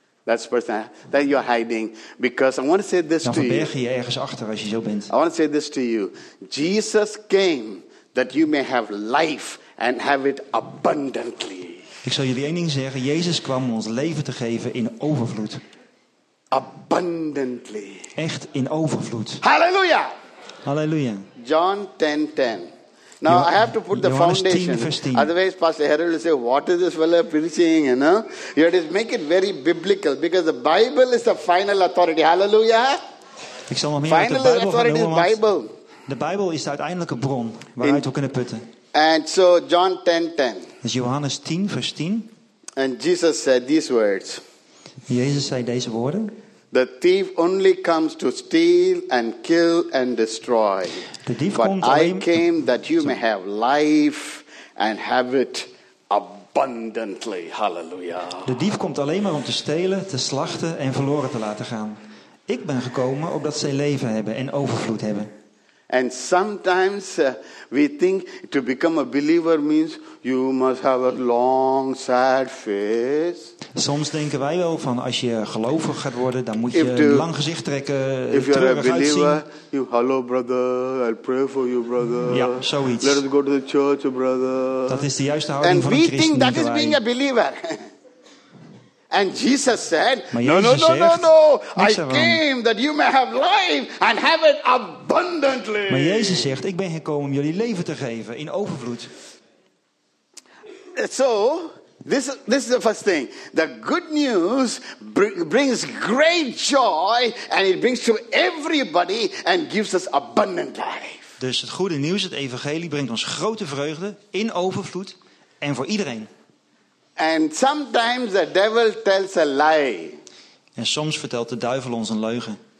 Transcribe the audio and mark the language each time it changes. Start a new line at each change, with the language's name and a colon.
English: That's the person that you're hiding. Because I want to say this
Dutch: dan
English: to you.
Dutch: Dan verberg je je ergens achter als je zo bent.
English: I want to say this to you. Jesus came that you may have life and have it abundantly.
Dutch: Ik zal jullie één ding zeggen. Jezus kwam om ons leven te geven in overvloed.
English: Abundantly.
Dutch: Echt in overvloed. Halleluja! Halleluja.
English: John 10:10. Now I have to put the foundation. Otherwise, Pastor Harold will say, "What is this fellow preaching?" You know, you have to make it very biblical because the Bible is the final authority. Hallelujah!
Dutch: Ik zal nog meer final de Bijbel authority genoemd, is Bible. De Bijbel is de uiteindelijke bron waaruit we kunnen putten.
English: And so John 10:10.
Dutch: Is Johannes 10 vers 10.
English: And Jesus said these words.
Dutch: Jezus zei deze woorden.
English: The thief only comes to steal and kill and destroy.
Dutch: De dief
English: but
Dutch: komt alleen...
English: I came that you may have life and have it abundantly. Hallelujah.
Dutch: De dief komt alleen maar om te stelen, te slachten en verloren te laten gaan. Ik ben gekomen opdat zij leven hebben en overvloed hebben.
English: And sometimes we think to become a believer means you must have a long sad face.
Dutch: Soms denken wij wel van als je gelovig gaat worden, dan moet je een lang gezicht trekken,
English: if you're
Dutch: treurig
English: a believer,
Dutch: uitzien.
English: You, hello brother, I'll pray for you brother.
Dutch: Ja, zoiets.
English: Let us go to the church brother.
Dutch: Dat is de juiste houding
English: and
Dutch: van een christen.
English: And we think that is being a believer. And Jesus said,
Dutch: Jezus zegt,
English: I came that you may have life and have it abundantly.
Dutch: Maar Jezus zegt, ik ben gekomen om jullie leven te geven in overvloed.
English: So, this is the first thing. The good news brings great joy and it brings to everybody and gives us abundant life.
Dutch: Dus het goede nieuws, het evangelie brengt ons grote vreugde in overvloed en voor iedereen.
English: And sometimes the devil tells a lie.
Dutch: En soms vertelt de duivel ons een leugen.